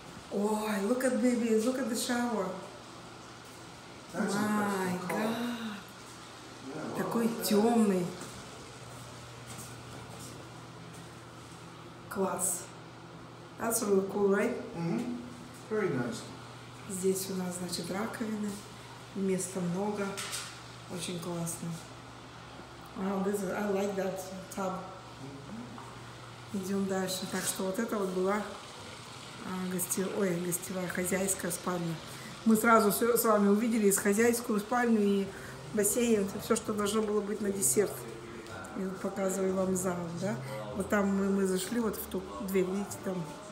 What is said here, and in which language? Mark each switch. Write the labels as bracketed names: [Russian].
[English] Ой, look at baby, look at the shower. That's my God. Yeah, [Russian] такой темный. Класс. [English] That's really cool, right? Mm-hmm. Very nice. [Russian] Здесь у нас, значит, раковины, места много, очень классно. [English] Wow, this is, I like that tub. [Russian] Идем дальше. Так что вот это вот была гостевая, хозяйская спальня. Мы сразу все с вами увидели, и хозяйскую спальню, и бассейн, все, что должно было быть на десерт. Я показываю вам зал, да? Вот там мы зашли, вот в ту дверь, видите, там.